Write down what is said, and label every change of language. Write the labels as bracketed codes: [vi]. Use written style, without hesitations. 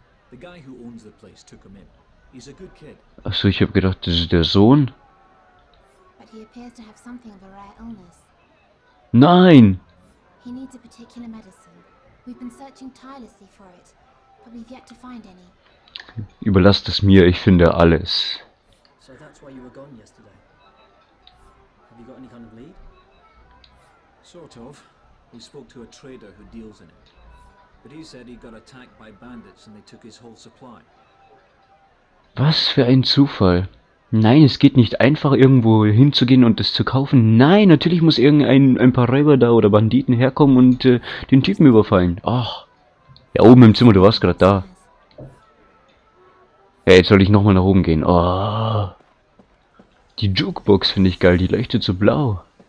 [en] The guy who owns the place took him in. He's a good kid. [de] Achso, ich habe gedacht, das ist der Sohn. [en] But he appears to have something of a rare illness. [de] Nein! [en] He needs a particular medicine. We've been searching tirelessly for it, but we've yet to find any. [de] Überlasst es mir, ich finde alles. [en] So that's why you were gone yesterday. Have you got any kind of lead? Sort of. We spoke to a trader who deals in it. But he said he got attacked by bandits and they took his whole supply. [de] Was für ein Zufall. Nein, es geht nicht einfach irgendwo hinzugehen und das zu kaufen. Nein, natürlich muss ein paar Räuber da oder Banditen herkommen und den Typen überfallen. Ach. Ja, oben im Zimmer, du warst gerade da. Ja, jetzt soll ich nochmal nach oben gehen. Oh. Die Jukebox finde ich geil, die leuchtet so blau.